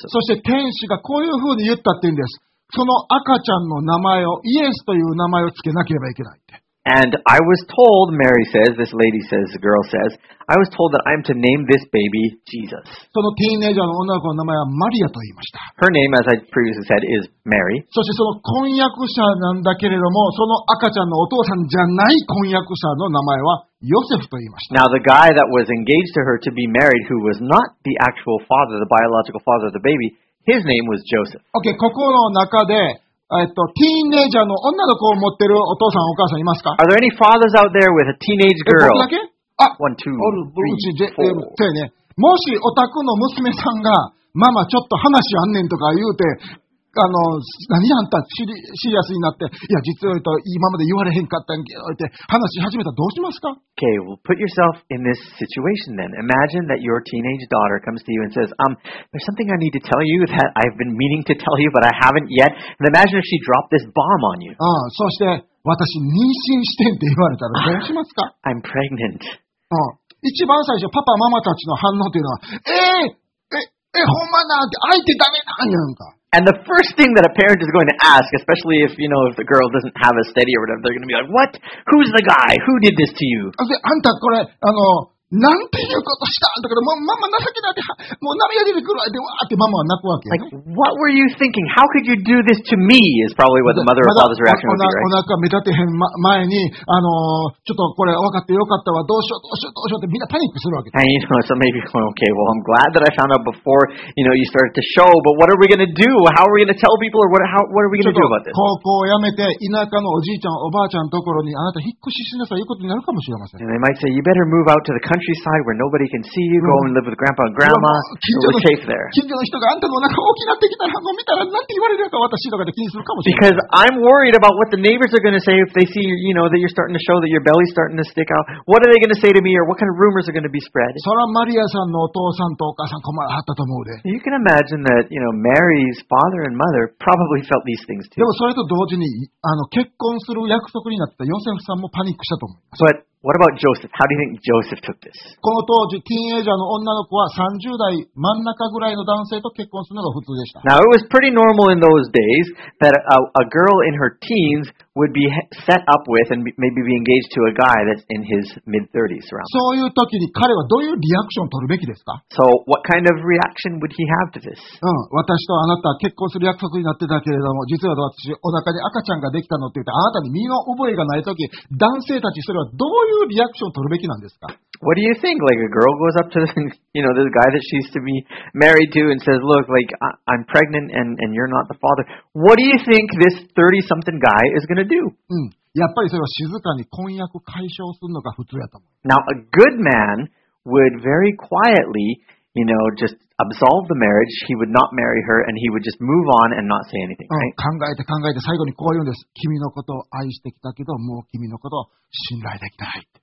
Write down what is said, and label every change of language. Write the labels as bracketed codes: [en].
[ja] そして天使がこういうふうに言ったって言うんです。その赤ちゃんの名前をイエスという名前をつけなければいけないって。 [en] And I was told, Mary says, this lady says, the girl says, I was told that I'm to name this baby Jesus. [ja] そのティーンエイジャーの女の子の名前はマリアと言いました。 [en] Her name, as I previously said, is Mary. [ja] そしてその婚約者なんだけれども、その赤ちゃんのお父さんじゃない婚約者の名前はヨセフと言いました。 [en] Now the guy that was engaged to her to be married, who was not the actual father, the biological father of the baby, his name was Joseph. [ja] Okay, ここの中で、ティーンエイジャーの女の子を持ってるお父さんお母さんいますか？ [en] Are there any fathers out there with a teenage girl? [ja] 僕だけ？あ、 [en] one, two, three, four. [ja] ね、もしお宅の娘さんがママちょっと話あんねんとか言うて、何あんたシリアスになって、いや実は言うと今まで言われへんかったんけどって話し始めたらどうしますか？ [en] Okay, well, put yourself in this situation then. Imagine that your teenage daughter comes to you and says, there's something I need to tell you that I've been meaning to tell you, but I haven't yet. And imagine if she dropped this bomb on you. [ja] そして私妊娠してんって言われたらどうしますか？ [en] I'm pregnant. [ja] 一番最初パパママたちの反応というのは、ほんまなんて相手ダメなんやんか。 [en] And the first thing that a parent is going to ask, especially if, you know, if the girl doesn't have a steady or whatever, they're going to be like, what? Who's the guy? Who did this to you? [ja] あんたこれ、なんていうことしたんだから、ママ情けないって、もう涙出てくるわって、わーってママは泣くわけ。 [en] Like, what were you thinking? How could you do this to me? Is probably what the mother or father's reaction would be, right? [ja] まだお腹目立てへん前に、ちょっとこれ分かってよかったわ、どうしようどうしようどうしようってみんなパニックするわけ。 [en] And you know, so maybe, okay, well, I'm glad that I found out before, you know, you started to show, but what are we going to do? How are we going to tell people or what are we going to do about this? [ja] 高校をやめて、田舎のおじいちゃん、おばあちゃんのところにあなた引っ越ししなさいということになるかもしれません。 [en] And they might say, you better move out to the countryWhere nobody can see you, go and live with grandpa and grandma. It's safe there. [ja] 近所の人があんたのお腹大きなってきたら、もう見たらなんて言われるか私とかで気にするかもしれない。 [en] Because I'm worried about what the neighbors are going to say if they see you know that you're starting to show that your belly's starting to stick out. What are they going to say to me or what kind of rumors are going to be spread? [ja] それはマリアさんのお父さんとお母さん困らはったと思うで。 [en] You can imagine that you know Mary's father and mother probably felt these things too. [ja] でもそれと同時に結婚する約束になったヨセフさんもパニックしたと思います。 [en] But,What about Joseph? How do you think Joseph took this? [ja] この当時、ティーンエイジャーの女の子は30代真ん中ぐらいの男性と結婚するのが普通でした。 [en] Now, it was pretty normal in those days that a girl in her teens would be set up with and maybe be engaged to a guy that's in his mid-30s around. [ja] そういう時に彼はどういうリアクションを取るべきですか? [en] So, what kind of reaction would he have to this? [ja] 私とあなた結婚する約束になってたけれども、実は私、お腹に赤ちゃんができたのって言って、あなたに身の覚えがない時、男性たちそれはどうどういうリアクションを取るべきなんですか? [en] What do you think? Like a girl goes up to the, you know, this guy that she's to be married to and says, look, like, I'm pregnant and you're not the father. What do you think this 30-something guy is going to do? [ja] やっぱりそれは静かに婚約解消するのが普通やと思う。 [en] Now, a good man would very quietly, you know, just absolve the marriage, he would not marry her, and he would just move on and not say anything.、 Right? [ja] 考えて考えて最後にこう言うんです。君のことを愛してきたけど、もう君のことを信頼できない。